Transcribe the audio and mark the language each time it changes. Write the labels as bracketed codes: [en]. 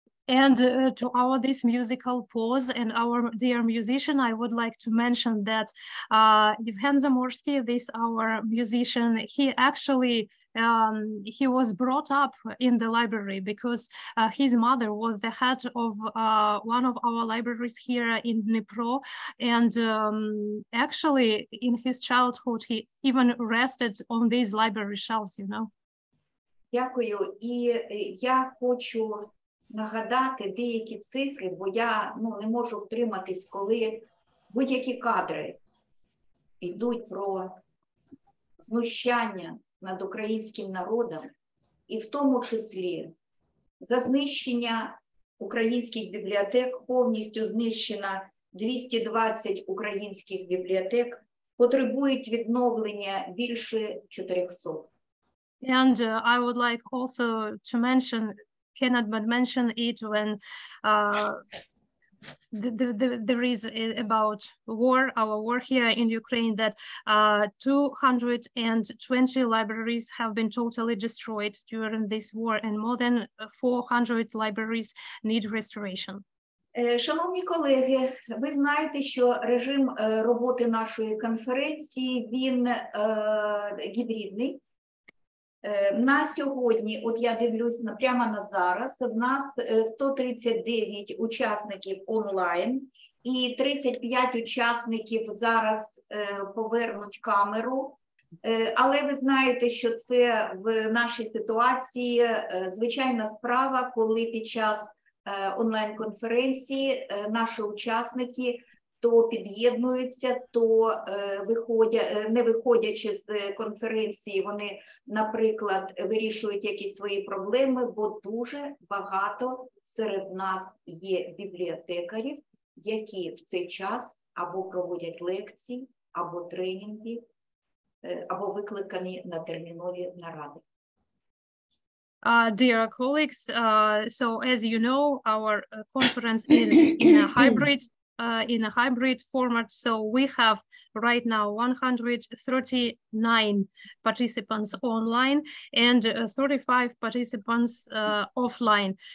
[en] And to our this musical pause and our dear musician, I would like to mention that Yevhen Zamorsky, this our musician, he actually he was brought up in the library because his mother was the head of one of our libraries here in Dnipro. And actually, in his childhood, he even rested on these library shelves, you know. [uk] Дякую. І я хочу нагадати деякі цифри, бо я ну, не можу втриматись, коли будь-які кадри йдуть про знущання над українським народом, і в тому числі за знищення українських бібліотек, повністю знищено 220 українських бібліотек, потребують відновлення більше 400. [en] And I would like also to mention, cannot but mention it when there is about war, our war here in Ukraine, that 220 libraries have been totally destroyed during this war and more than 400 libraries need restoration. [uk] Шановні колеги, ви знаєте, що режим роботи нашої конференції, він гібридний. На сьогодні, от я дивлюсь на, прямо на зараз, в нас 139 учасників онлайн і 35 учасників зараз повернуть камеру. Але ви знаєте, що це в нашій ситуації звичайна справа, коли під час онлайн-конференції наші учасники то під'єднуються, то не виходячи з конференції, вони, наприклад, вирішують якісь свої проблеми, бо дуже багато серед нас є бібліотекарів, які в цей час або проводять лекції, або тренінги, або викликані на термінові наради. [en] Dear colleagues, so as you know, our conference is in a hybrid in a hybrid format. So we have right now 139 participants online and 35 participants offline.